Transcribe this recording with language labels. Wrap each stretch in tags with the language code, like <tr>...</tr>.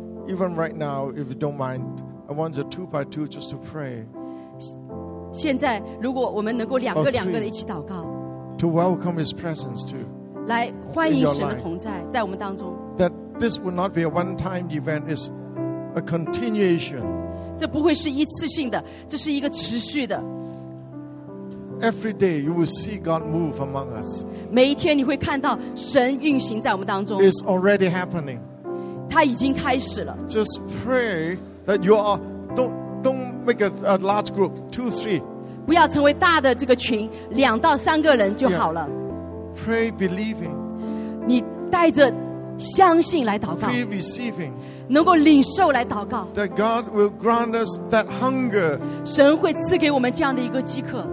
<en>Even right now, if you don't mind, I want you two by two just to pray.</en> <zh>现在如果我们能够两个两个的一起祷告,</zh> <en>to welcome His presence too.</en> <zh>来欢迎神的同在, 在我们当中。</zh> <en>That this will not be a one-time event, it's a continuation.</en> <zh>这不会是一次性的, 这是一个持续的。</zh> <en>Every day you will see God move among us.</en> <zh>每一天你会看到神运行在我们当中。</zh> <en>It's already happening.</en> <zh>它已经开始了。</zh> <en>Just pray that you are don't make a large group, 2-3.</en> <zh>不要成为大的这个群, 2到3个人就好了。</zh> <en>Yeah. Pray believing.</en> <zh>你带着相信来祷告。</zh> <en>Pray receiving.</en> <zh>能够领受来祷告,</zh> <en>that God will grant us that hunger,</en> <zh>神会赐给我们这样的一个饥渴,</zh>